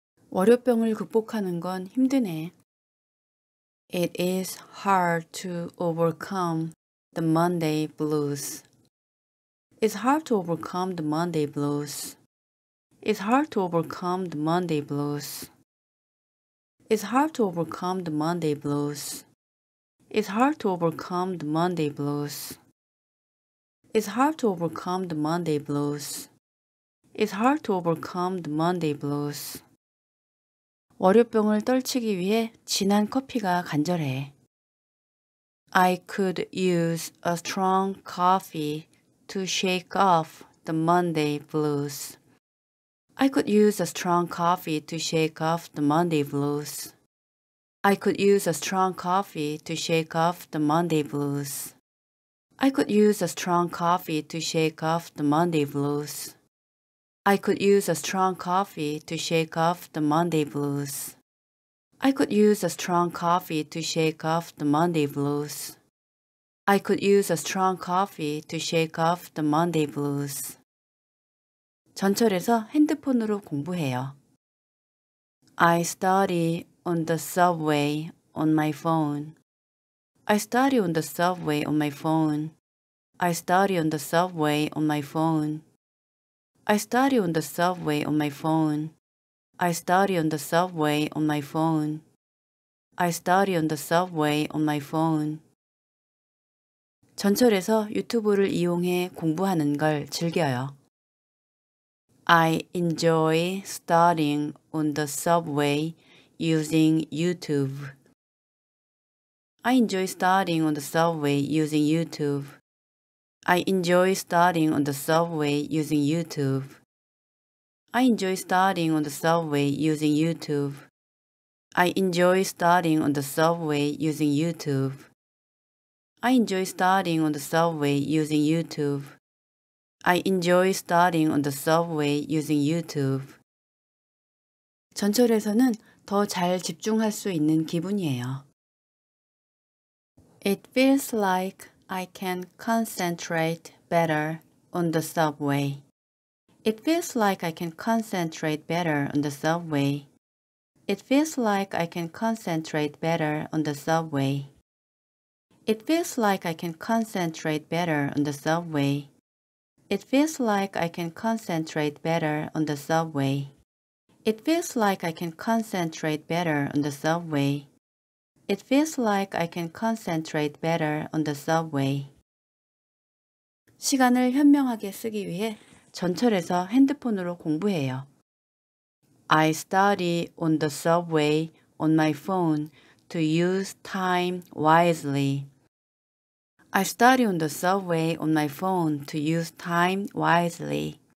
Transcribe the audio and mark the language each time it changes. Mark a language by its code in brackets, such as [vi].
[ko] 월요병을 극복하는 건 힘드네. [en] It is hard to overcome the Monday blues. It's hard to overcome the Monday blues. It's hard to overcome the Monday blues. It's hard to overcome the Monday blues. It's hard to overcome the Monday blues. It's hard to overcome the Monday blues. It's hard to overcome the Monday blues. [ko] 월요병을 떨치기 위해 진한 커피가 간절해. [en] I could use a strong coffee to shake off the Monday blues. I could use a strong coffee to shake off the Monday blues. I could use a strong coffee to shake off the Monday blues. I could use a strong coffee to shake off the Monday blues. I could use a strong coffee to shake off the Monday blues. I could use a strong coffee to shake off the Monday blues. I could use a strong coffee to shake off the Monday blues. [ko] 전철에서 핸드폰으로 공부해요. [en] I study on the subway on my phone. I study on the subway on my phone. I study on the subway on my phone. I study on the subway on my phone. I study on the subway on my phone. I study on the subway on my phone. [ko] 전철에서 유튜브를 이용해 공부하는 걸 즐겨요. [en] I enjoy studying on the subway using YouTube. I enjoy studying on the subway using YouTube. I enjoy studying on the subway using YouTube. I enjoy studying on the subway using YouTube. I enjoy studying on the subway using YouTube. I enjoy studying on the subway using YouTube. I enjoy studying on the subway using YouTube. [ko] 전철에서는 더 잘 집중할 수 있는 기분이에요. [en] It feels like I can concentrate better on the subway. It feels like I can concentrate better on the subway. It feels like I can concentrate better on the subway. It feels like I can concentrate better on the subway. It feels like I can concentrate better on the subway. It feels like I can concentrate better on the subway. It feels like I can concentrate better on the subway. [ko] 시간을 현명하게 쓰기 위해 전철에서 핸드폰으로 공부해요. [en] I study on the subway on my phone to use time wisely. I study on the subway on my phone to use time wisely.